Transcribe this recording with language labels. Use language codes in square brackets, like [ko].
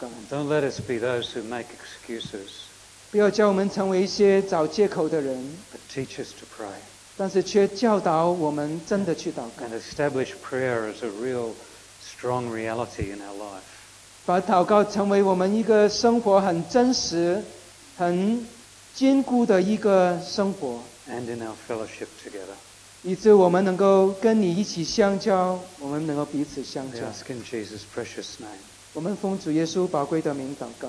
[en] don't let us be those who make excuses. [zh] 不要叫我们成为一些找借口的人, [en] but teach us to pray. [zh] 但是却教导我们真的去祷告, [en] and establish prayer as a real strong reality in our life. [zh] 把祷告成为我们一个生活很真实、很坚固的一个生活, [en] and in our fellowship together. [zh] 以致我们能够跟你一起相交，我们能够彼此相交。 [en] We ask in Jesus' precious name. [zh] 我们奉主耶稣宝贵的名祷告。